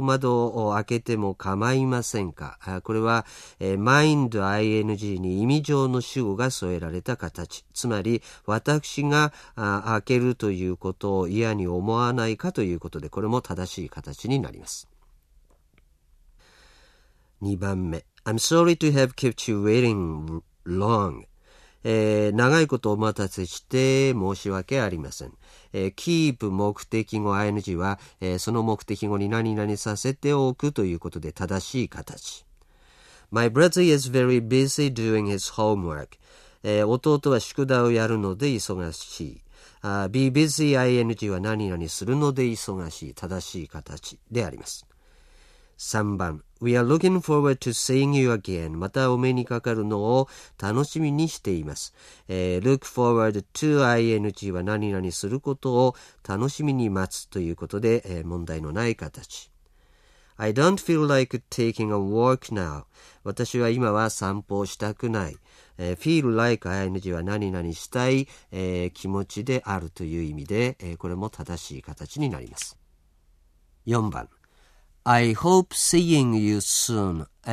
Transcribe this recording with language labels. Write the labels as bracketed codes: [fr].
[ja] 窓を開けても構いませんか？これは、mind ing に意味上の主語が添えられた形。つまり、私が開けるということを嫌に思わないかということで、これも正しい形になります。 2番目。 [en] I'm sorry to have kept you waiting long. [ja] 長いことお待たせして申し訳ありません。 keep 目的語 ing は、その目的語に何々させておくということで正しい形。 [en] My brother is very busy doing his homework. [ja] 弟は宿題をやるので忙しい。 be busy ing は何々するので忙しい。正しい形であります。 [en] 3番 We are looking forward to seeing you again. [ja] またお目にかかるのを楽しみにしています。 look forward to ing は何々することを楽しみに待つということで、問題のない形。 [en] I don't feel like taking a walk now. [ja] 私は今は散歩をしたくない。 feel like ing は何々したい、気持ちであるという意味で、これも正しい形になります。 [en] 4番I hope seeing you soon.